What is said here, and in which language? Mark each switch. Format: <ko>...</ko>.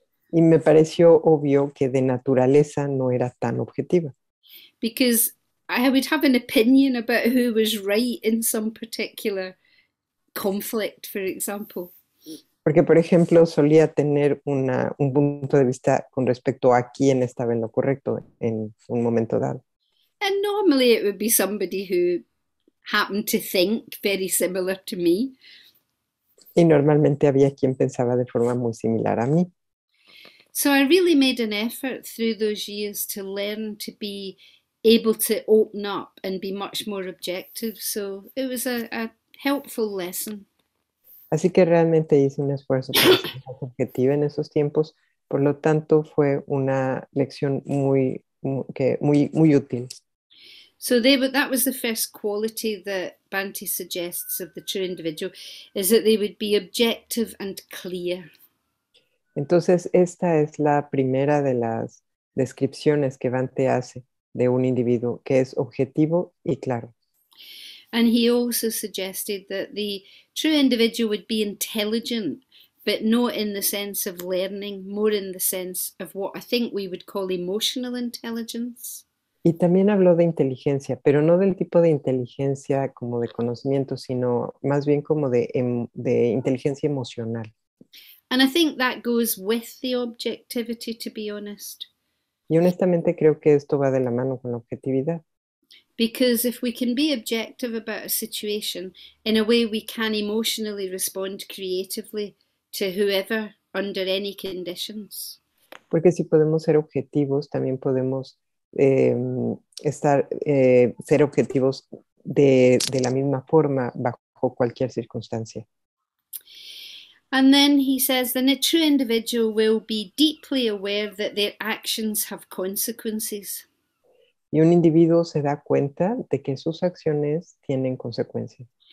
<es>Y me pareció obvio que de naturaleza no era tan objetiva.</es> <en>Because I would have an opinion about who was right in some particular conflict, for example.</en> <es>Porque, por ejemplo, solía tener un punto de vista con respecto a quién estaba en lo correcto en un momento dado.</es> <en>And normally it would be somebody who happened to think very similar to me.</en> <es>Y normalmente había quien pensaba de forma muy similar a mí.</es> <en>So I really made an effort through those years to learn to be able to open up and be much more objective. So it was a helpful lesson.</en> <es>Así que realmente hice un esfuerzo para ser más objetiva en esos tiempos, por lo tanto fue una lección muy útil.</es> <en>So they would, that was the first quality that Bhante suggests of the true individual, is that they would be objective and clear.</en> <es>Entonces, esta es la primera de las descripciones que Bante hace de un individuo que es objetivo y claro.</es> <en>And he also suggested that the true individual would be intelligent, but not in the sense of learning, more in the sense of what I think we would call emotional intelligence.</en> <es>Y también habló de inteligencia, pero no del tipo de inteligencia como de conocimiento, sino más bien como de inteligencia emocional.</es> <en>And I think that goes with the objectivity, to be honest.</en> <es>Y honestamente creo que esto va de la mano con la objetividad.</es> <en>Because if we can be objective about a situation, in a way we can emotionally respond creatively to whoever under any conditions.</en> <es>Porque si podemos ser objetivos, también podemos ser objetivos de la misma forma bajo cualquier circunstancia.</es> <en>And then he says, then a true individual will be deeply aware that their actions have consequences.</en> <es>Y un individuo se da cuenta de que sus acciones tienen consecuencias.</es>